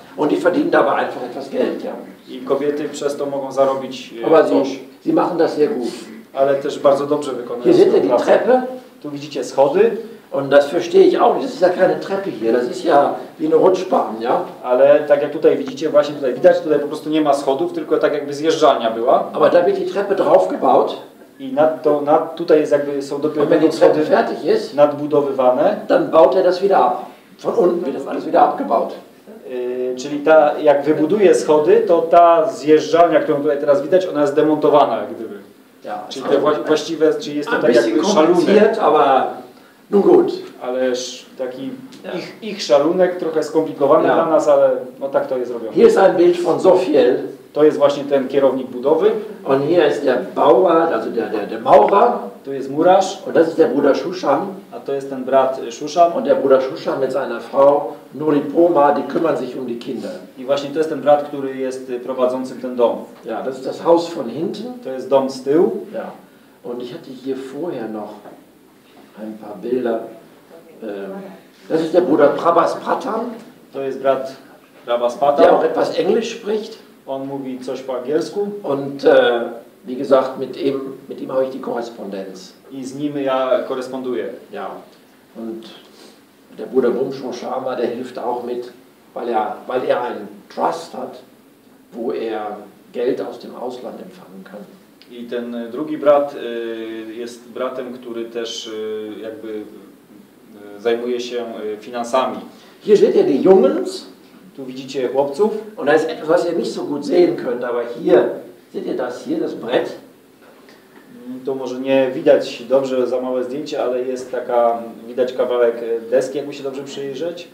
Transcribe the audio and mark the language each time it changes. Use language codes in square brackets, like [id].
[de] Und die verdienen dabei einfach etwas Geld, ja. [pl] I kobiety przez to mogą zarobić [de] aber [pl] coś. [de] Sie machen das sehr gut. [pl] Ale też bardzo dobrze wykonują. [de] Hier seht ihr die Treppe. [pl] Tu widzicie schody. [de] Und das verstehe ich auch. Das ist ja keine Treppe hier. Das ist ja wie eine Rutschbahn, ja. [pl] Ale tak jak tutaj widzicie, właśnie tutaj widać, tutaj po prostu nie ma schodów, tylko tak jakby zjeżdżalnia była. [de] Aber da wird die Treppe drauf gebaut. [pl] I tutaj jest jakby są dopiero [de] wenn die Treppe fertig ist, [pl] nadbudowywane. [de] Dann baut er das wieder ab. Von unten wird das alles wieder abgebaut. [pl] Czyli ta, jak wybuduje schody, to ta zjeżdżalnia, którą tutaj teraz widać, ona jest demontowana, jak gdyby. [de] Ja, [pl] czyli to właściwe, czyli jest to tak jakby szalunek. [de] Aber, no gut. [pl] Ależ taki ja. ich szalunek, trochę skomplikowany ja. Dla nas, ale no tak to jest robione. [de] Hier ist ein Bild von Zofiel. [pl] To jest właśnie ten kierownik budowy. [de] Und hier ist der Bauer, also der Maurer. [pl] Tu jest murarz. [de] Und das ist der Bruder Shushan. [pl] A to jest ten brat Shushan. [de] Und der Bruder Shushan mit seiner Frau Nuripoma, die kümmern sich um die Kinder. [pl] I właśnie to jest ten brat, który jest prowadzącym ten dom. [de] Ja, das ist das Haus von hinten. [pl] To jest dom z tyłu. [de] Ja. Und ich hatte hier vorher noch ein paar Bilder. Das ist der Bruder Prabhaspatam. [pl] To jest brat Prabhaspatam. [de] Der auch etwas Englisch spricht. [pl] On mówi coś po angielsku. [de] Und wie gesagt, mit ihm habe ich die Korrespondenz. [pl] I z nim ja koresponduję. [de] Ja. Und der Bruder Bumshaw Sharma, der hilft auch mit, weil er einen Trust hat, wo er Geld aus dem Ausland empfangen kann. [pl] I ten drugi brat jest bratem, który też jakby zajmuje się finansami. [de] Hier seht ihr die Jungs. [pl] Tu widzicie chłopców. [de] Und da ist etwas, was ihr nicht so gut sehen könnt, aber hier, seht ihr das hier, das Brett? [pl] To może nie widać dobrze za małe zdjęcie, ale jest taka, widać kawałek deski, jakby się dobrze przyjrzeć.